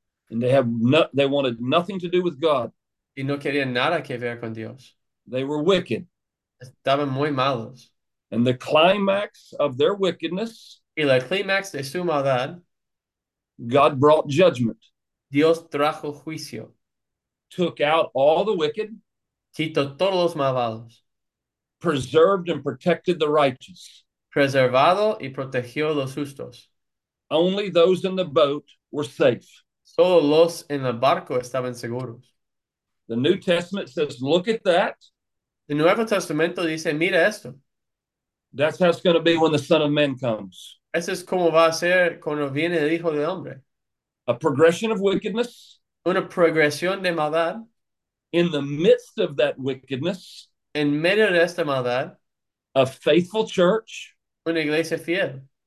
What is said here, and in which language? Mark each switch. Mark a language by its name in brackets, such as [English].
[English] and they wanted nothing to do with God. [Spanish] y no querían nada que ver con Dios. [English] They were wicked. [Spanish] Estaban muy malos. [English] And the climax of their wickedness, [Spanish] Y el clímax de su maldad, [English] God brought judgment. [Spanish] Dios trajo juicio. [English] Took out all the wicked, [Spanish] Quito todos los malvados. [English] preserved and protected the righteous. [Spanish] Preservado y protegió los justos. [English] Only those in the boat were safe. [Spanish] Solo los en el barco estaban seguros. [English] The New Testament says, look at that. [Spanish] El Nuevo Testamento dice, mira esto. [English] That's how it's going to be when the Son of Man comes. [Spanish] Eso es como va a ser cuando viene el Hijo del Hombre. [English] A progression of wickedness. [Spanish] Una progresión de maldad. [English] In the midst of that wickedness, [Spanish] En medio de esta maldad, [English] a faithful church [Spanish] una iglesia fiel,